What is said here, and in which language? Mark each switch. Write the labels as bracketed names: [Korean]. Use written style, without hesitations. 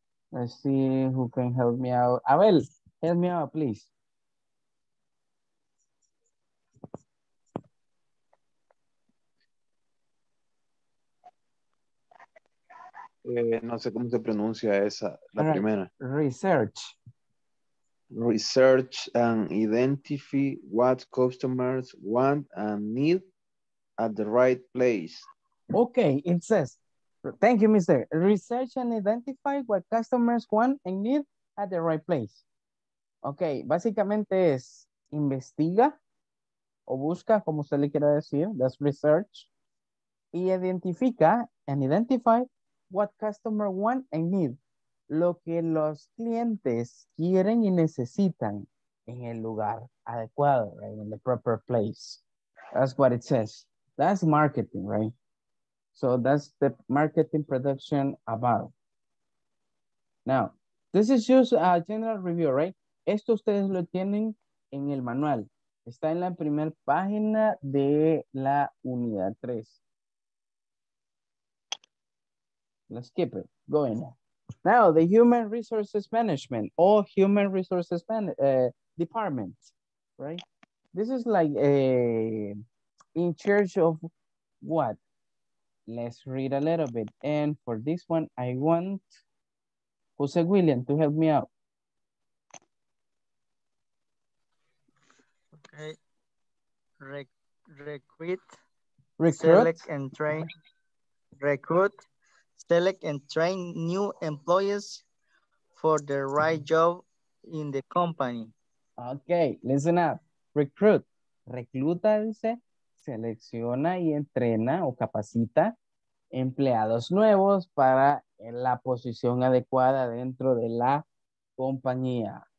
[English] Let's see who can help me out. Abel, help me out, please. [Spanish] No sé cómo se pronuncia esa, la right. primera. [English] Research. Research and identify what customers want and need at the right place. Okay, it says, thank you, mister. Research and identify what customers want and need at the right place. [Spanish] Okay, básicamente es investiga o busca, como usted le quiera decir, [English] that's research, [Spanish] y identifica [English] and identify what customer want and need, [Spanish] lo que los clientes quieren y necesitan en el lugar adecuado, [English] right, in the proper place. That's what it says. That's marketing, right? So that's the marketing production about. Now, this is just a general review, right? [Spanish] Esto ustedes lo tienen en el manual. Está en la primera página de la unidad 3. [English] Let's keep it going. Now, the human resources management or human resources department, right? This is like a in charge of what? Let's read a little bit. And for this one, I want Jose William to help me out. Okay. Recruit, select and train. Recruit, select and train new employees for the right job in the company. Okay, listen up. Recruit. [Spanish] Recluta, dice. Selecciona y entrena o capacita empleados nuevos para la posición adecuada dentro de la compañía.